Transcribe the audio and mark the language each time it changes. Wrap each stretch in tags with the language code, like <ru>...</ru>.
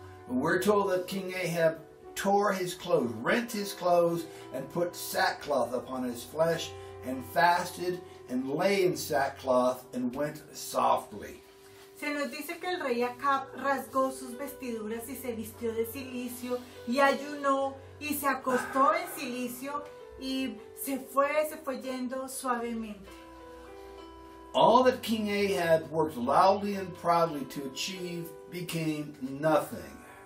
<en>We're told that King Ahab tore his clothes, rent his clothes, and put sackcloth upon his flesh, and fasted, and lay in sackcloth, and went softly.</en> <es>Se nos dice que el rey Acab rasgó sus vestiduras y se vistió de cilicio y ayunó y se acostó en cilicio y se fue yendo suavemente.</es> <en>All that King Ahab worked loudly and proudly to achieve became nothing.</en>